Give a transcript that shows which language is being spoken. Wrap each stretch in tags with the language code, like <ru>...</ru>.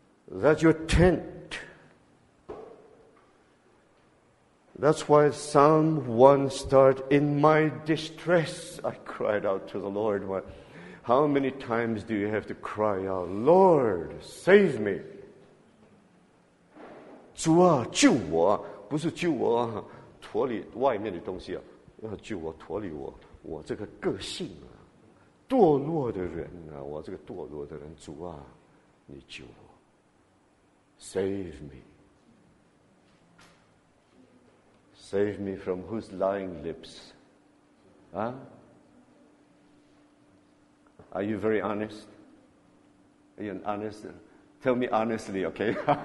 <en>That's your tent. That's why Psalm 1 starts, in my distress I cried out to the Lord. How many times do you have to cry out, Lord, save me?</en> <zh>主啊,救我,不是救我,脱离外面的东西啊,要救我,脱离我,我这个个性啊,堕落的人啊,我这个堕落的人,主啊,你救我,</zh> <en>save me. Save me from whose lying lips? Huh? Are you very honest? Are you an honest? Tell me honestly, okay?</en>